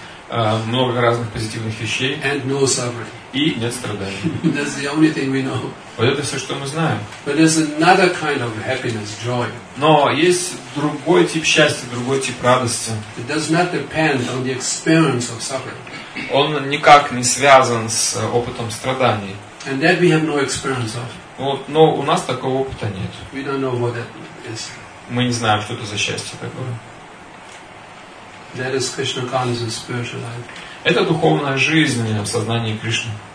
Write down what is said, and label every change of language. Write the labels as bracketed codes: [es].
[ru] Много разных позитивных вещей. [en] And no suffering. [ru] И нет страданий. [en] That's the only thing we know. [ru] Вот это все, что мы знаем. [en] But there's another kind of happiness, joy. [ru] Но есть другой тип счастья, другой тип радости. [en] It does not depend on the experience of suffering. [ru] Он никак не связан с опытом страданий. [en] And that we have no experience of. [ru] Вот, но у нас такого опыта нет. [en] We don't know what that is. [ru] Мы не знаем, что это за счастье такое. [en] That is Krishna consciousness, spiritual life. [ru] Это духовная жизнь в сознании Кришны.